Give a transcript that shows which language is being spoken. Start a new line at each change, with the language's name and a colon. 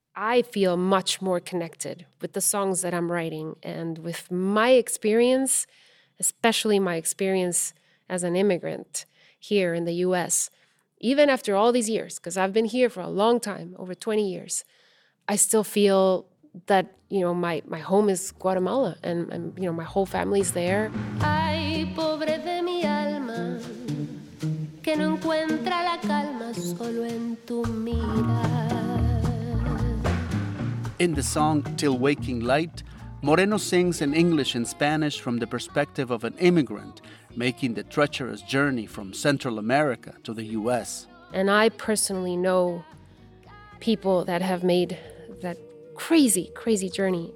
English: I feel much more connected with the songs that I'm writing and with my experience, especially my experience as an immigrant here in the U.S. Even after all these years, because I've been here for a long time, over 20 years, I still feel that, you know, my home is Guatemala and, you know, my whole family's there.
Spanish: Ay, pobre de mi alma, que no encuentra la calma solo en tu mirar.
English: In the song Till Waking Light, Moreno sings in English and Spanish from the perspective of an immigrant making the treacherous journey from Central America to the U.S. And I personally know people that have made that crazy, crazy journey.